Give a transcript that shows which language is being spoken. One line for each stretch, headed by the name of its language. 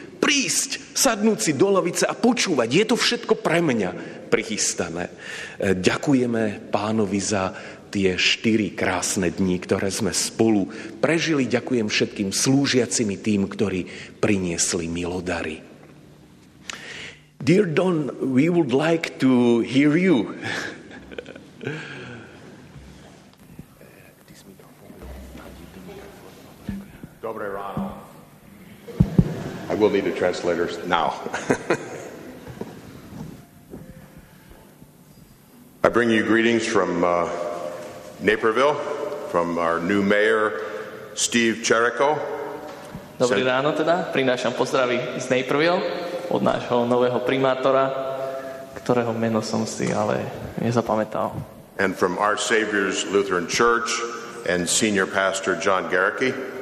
Slovak: Prísť, sadnúť si do lavice a počúvať. Je to všetko pre mňa prichystané. Ďakujeme pánovi za tie 4 krásne dni, ktoré sme spolu prežili. Ďakujem všetkým slúžiacim tým, ktorí priniesli milodary.
English: Dear Don, we would like to hear you.
Slovak: Dobre ráno.
English: I will need a translator now. I bring you greetings from Naperville, from our new mayor, Steve Cherico.
Slovak: Dobre ráno teda, prinášam pozdravy z Naperville. Od nášho nového primátora, ktorého meno som si ale nezapamätal.
English: And from Our Savior's Lutheran Church and senior pastor John Garrity.